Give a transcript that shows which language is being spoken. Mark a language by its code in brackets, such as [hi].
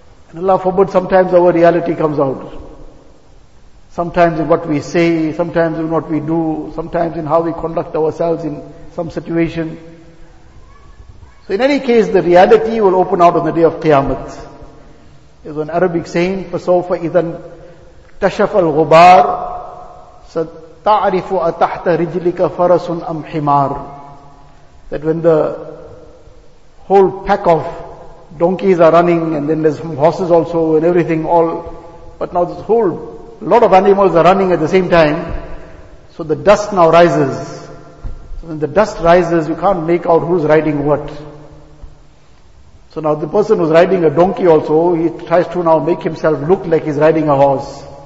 [en] And Allah forbid, sometimes our reality comes out. Sometimes in what we say, sometimes in what we do, sometimes in how we conduct ourselves in some situation. So in any case, the reality will open out on the day of Qiyamah. There's an Arabic saying, [ar] فَسَوْفَ إِذَنْ تَشَفَ الْغُبَارِ سَتَعْرِفُ أَتَحْتَ رِجْلِكَ فَرَسٌ أَمْ حِمَارٌ. [en] That when the whole pack of donkeys are running, and then there's some horses also and everything all, but now this whole lot of animals are running at the same time, so the dust now rises. So when the dust rises, you can't make out who's riding what. So now the person who's riding a donkey also, he tries to now make himself look like he's riding a horse.